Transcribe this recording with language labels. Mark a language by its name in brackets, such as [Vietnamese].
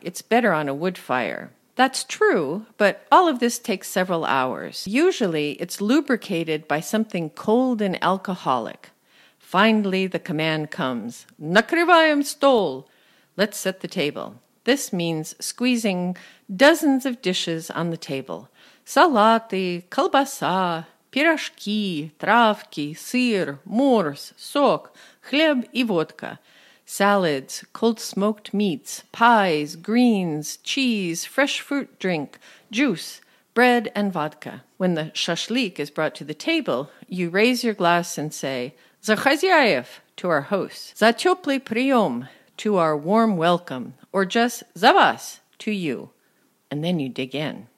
[English] It's better on a wood fire. That's true, but all of this takes several hours. Usually, it's lubricated by something cold and alcoholic. Finally, the command comes, [Russian] накрываем стол. [English] Let's set the table. This means squeezing dozens of dishes on the table. [Russian] Салаты, колбаса, пирожки, травки, сыр, морс, сок, хлеб и водка. [English] Salads, cold smoked meats, pies, greens, cheese, fresh fruit drink, juice, bread and vodka. When the shashlik is brought to the table, you raise your glass and say, [Russian] "За хозяев," [English] to our host, [Russian] "За теплый прием," [English] to our warm welcome, or just [Russian] "За вас," [English] to you. And then you dig in.